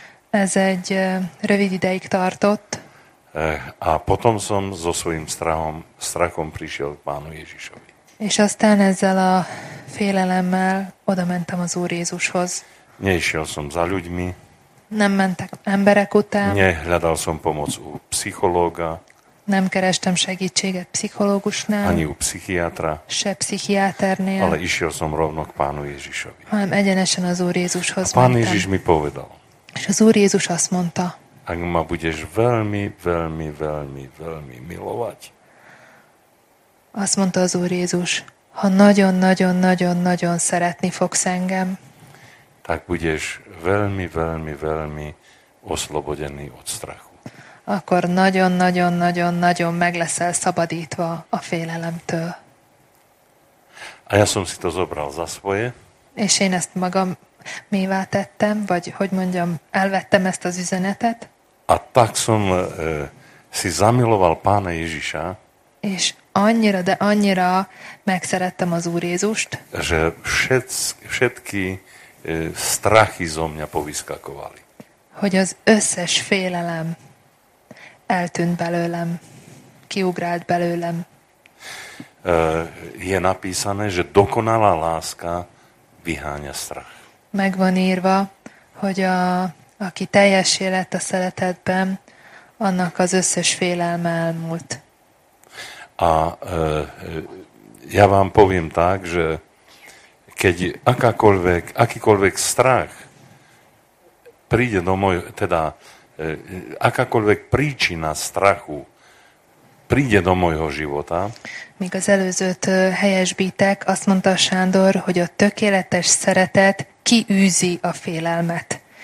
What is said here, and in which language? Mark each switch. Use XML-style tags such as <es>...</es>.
<hu>Ez egy rövid ideig tartott.</hu> <sk>A potom som so svojím strachom prišiel k Pánu Ježišovi.</sk> <hu>És aztán ezzel a félelemmel oda mentem az Úr Jézushoz.</hu> <sk>Nešiel som za ľuďmi.</sk> <hu>Nem mentek emberek után.</hu> <sk>Nehľadal som pomoc u psychológa.</sk> <hu>Nem kerestem segítséget pszichológusnál.</hu> <sk>Ani u pszichiátra.</sk> <hu>Se pszichiáternél.</hu> <sk>Ale išiel som rovno k Pánu Ježišovi.</sk> <hu>Hanem egyenesen az Úr Jézushoz mentem.</hu> <sk>A Pán Ježiš mi povedal.</sk> <hu>És az Úr Jézus azt mondta.</hu> <sk>Ak ma budeš veľmi, veľmi, veľmi, veľmi milovať.</sk> <hu>Azt mondta az Úr Jézus, ha nagyon, nagyon, nagyon, nagyon szeretni fogsz engem.</hu> <sk>Tak budeš veľmi, veľmi, veľmi oslobodený od strachu.</sk> <hu>Akkor nagyon, nagyon, nagyon, nagyon meg leszel szabadítva a félelemtől.</hu> <sk>A ja som si to zobral za svoje.</sk> <hu>És én ezt magam mivá tettem, vagy hogy mondjam, elvettem ezt az üzenetet.</hu> <sk>A tak som si zamiloval Pána Ježiša.</sk> <hu>És annyira, de annyira megszerettem az Úr Jézust.</hu> <sk>Že všetky strachy zo mňa povyskakovali.</sk> <hu>Hogy az összes félelem eltűnt belőlem, kiugrált belőlem.</hu> <sk>Je napísané, že dokonalá láska vyháňa strach.</sk> <hu>Megvan írva, hogy aki teljessé lett a szeretetben, annak az összes félelme elmúlt.</hu> <sk>A ja vám poviem tak, že keď akýkoľvek strach príde do môj, teda akákoľvek príčina strachu príde do môjho života.</sk> <hu>Míg az előzőt helyesbítek, azt mondta Sándor, hogy a tökéletes szeretet kiűzi a félelmet.</hu>